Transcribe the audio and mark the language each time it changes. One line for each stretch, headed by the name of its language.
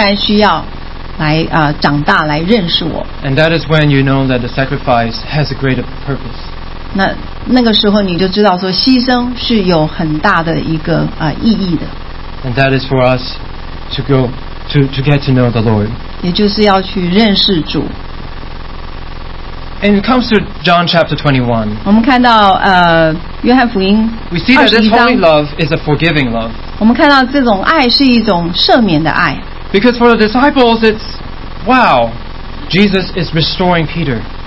Chinese: 我的侄子Fabian，他仍然需要来长大，来认识我。
English: And that is when you know that the sacrifice has a greater purpose.
Chinese: 那个时候你就知道说牺牲是有很大的一个意义的。
English: And that is for us to go to get to know the Lord.
Chinese: 也就是要去认识主。
English: And it comes to John chapter 21.
Chinese: 我们看到约翰福音
English: We see that this holy love is a forgiving love.
Chinese: 我们看到这种爱是一种赦免的爱。
English: Because for the disciples, it's wow, Jesus is restoring Peter.